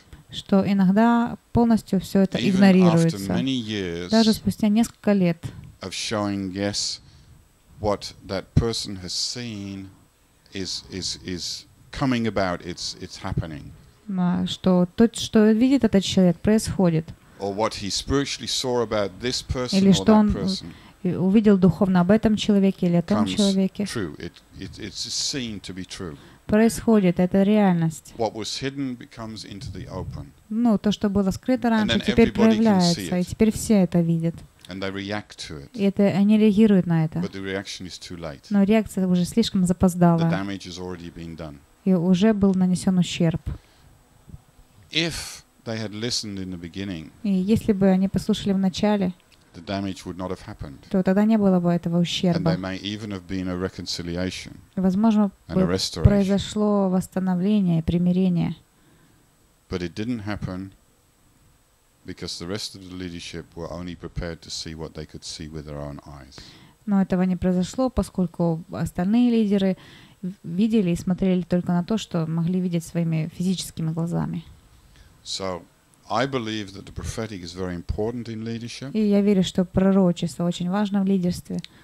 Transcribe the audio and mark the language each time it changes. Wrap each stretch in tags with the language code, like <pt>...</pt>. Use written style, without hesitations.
<ru>Что иногда полностью все это игнорируется. Даже спустя несколько лет</ru> <en>of showing yes what that person has seen is coming about, it's happening.</en> <ru>Что тот, что видит этот человек, происходит.</ru> <en>Or what he spiritually saw about this person.</en> <ru>Или что он увидел духовно об этом человеке или о том человеке.</ru> <en>True, it's seen to be true.</en> <ru>Происходит, это реальность.</ru> <en>What was hidden becomes into the open.</en> <ru>Ну, то, что было скрыто раньше, теперь проявляется, и теперь все это видят.</ru> <en>And they react to it.</en> <ru>Это они реагируют на это.</ru> <en>But the reaction is too late.</en> <ru>Но реакция уже слишком запоздала.</ru> <en>The damage has already been done.</en> <ru>И уже был нанесен ущерб.</ru> <en>If they had listened in the beginning.</en> <ru>И если бы они послушали в начале.</ru> <en>The damage would not have happened.</en> <ru>То тогда не было бы этого ущерба.</ru> <en>And there may even have been a reconciliation.</en> <ru>Возможно, произошло восстановление, примирение.</ru> <en>But it didn't happen. Because the rest of the leadership were only prepared to see what they could see with their own eyes.</en> <ru>Но этого не произошло, поскольку остальные лидеры видели и смотрели только на то, что могли видеть своими физическими глазами.</ru> <en>So, I believe that the prophetic is very important in leadership.</en> <ru>И я верю, что пророчество очень важно в лидерстве.</ru>